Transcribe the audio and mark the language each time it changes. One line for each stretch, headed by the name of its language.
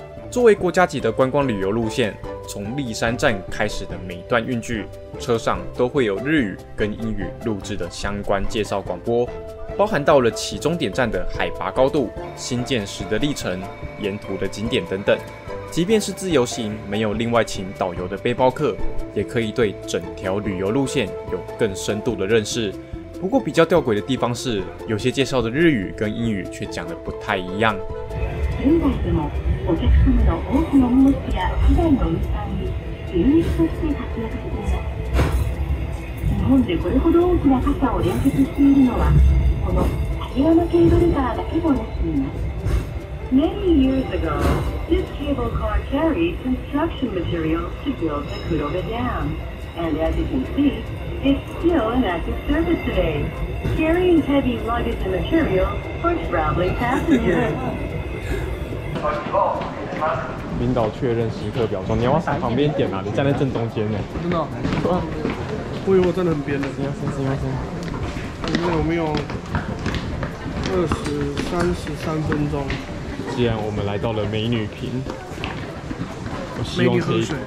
Chinese: 作为国家级的观光旅游路线，从立山站开始的每段运距，车上都会有日语跟英语录制的相关介绍广播，包含到了起终点站的海拔高度、新建时的历程、沿途的景点等等。即便是自由行，没有另外请导游的背包客，也可以对整条旅游路线有更深度的认识。不过比较吊诡的地方是，有些介绍的日语跟英语却讲得不太一样。
Japanese: 現在でもお客様の多くの荷物や機材の運搬に人力として活躍しています。日本でこれほど大きな傘を連結しているのは、この立山ケーブルカーだけとなっています。
English: Many years ago, this cable car carried construction material to build the Kurobe Dam. And as you can see, it's still in active service today, carrying heavy luggage and material for traveling passengers.
Chinese: 领导确认时刻表说你要往旁边点啊，你站在正中间呢。真的、哦？我以为我站得很边的。行行行行。你们有没有23:33？既然我们来到了美女坪，我希望可以。